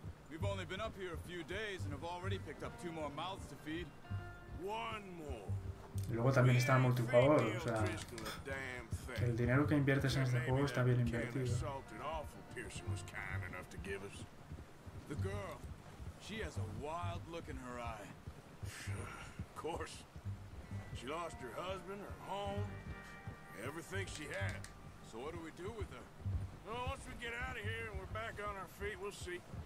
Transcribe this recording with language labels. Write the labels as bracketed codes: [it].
[en] We've only been up here a few days and have already picked up two more mouths to feed. One more. [es] Y luego también está el multijugador, o sea, que el dinero que inviertes en este juego está bien invertido. [en] The girl, she has a wild look in her eye. Of course. She lost her husband, her home, everything she had. So what do we do with her? Well, once we get out of here and we're back on our feet, we'll see.